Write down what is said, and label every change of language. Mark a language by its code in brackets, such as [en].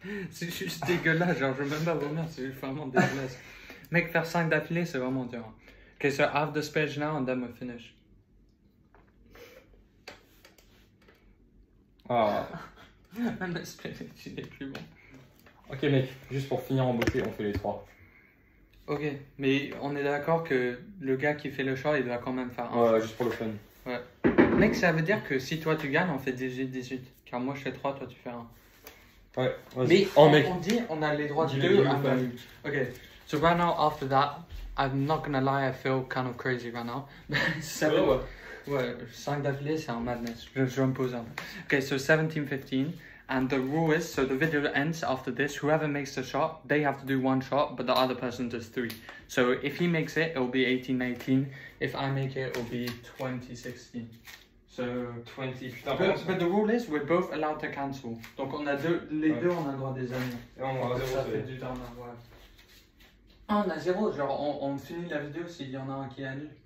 [fr] C'est juste dégueulasse, genre, je veux même pas vomir, c'est vraiment dégueulasse. Mec, faire 5 d'affilée, c'est vraiment dur. [en] Okay, so I have the spinach now, and then we finish. Ah. [fr] Même spinach, il est plus bon. Ok mec, juste pour finir en beauté, on fait les 3. Ok, mais on est d'accord que le gars qui fait le choix, il va quand même faire un. Ouais, juste pour le fun. Ouais. Mec, ça veut dire que si toi tu gagnes, on fait 18-18. Car moi je fais 3, toi tu fais 1. Ouais, vas-y. Mais oh, mec. On dit on a les droits de 2 à 1. [en] Ok, so right now after that, I'm not gonna lie, I feel kind of crazy right now. [fr] Ouais, 5 d'affilée, c'est un madness. Je me pose un peu. [en] Ok, so 17-15. And the rule is, so the video ends after this. Whoever makes the shot, they have to do one shot, but the other person does 3. So if he makes it, it'll be 18-19. If I make it, it'll be 20-16. So 20. But the rule is, we're both allowed to cancel. [fr] Donc on a deux, les deux, on a le droit des années. Et on a zéro. Ça fait du temps, ouais. Ah, on a 0, genre on finit la vidéo s'il y en a un qui annule.